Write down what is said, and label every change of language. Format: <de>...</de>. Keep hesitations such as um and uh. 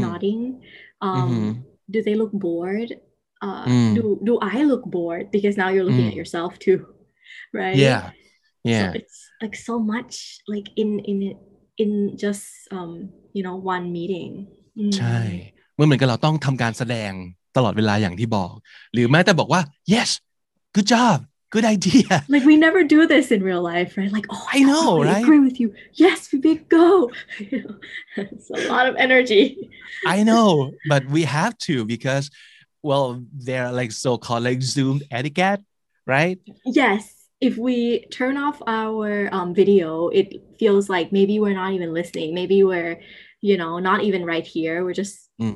<en>nodding um, mm -hmm. do they look bored uh, mm -hmm. do, do i look bored because now you're looking at yourself too right yeah yeah so it's like so much like in in in just um you know one meeting mm.</en> <th>ใช่ เหมือนกับเราต้องทำการแสดงตลอดเวลาอย่างที่บอกหรือแม้แต่บอกว่า</th> <en>yes good job good idea like we never do this in real life right like oh i know God, right? i agree with you yes we big go it's a lot of energy i know but we have to because well they're like so-called like zoom etiquette right yes if we turn off our um, video it feels like maybe we're not even listening maybe we're you know not even right here we're just Mm-mm.</en>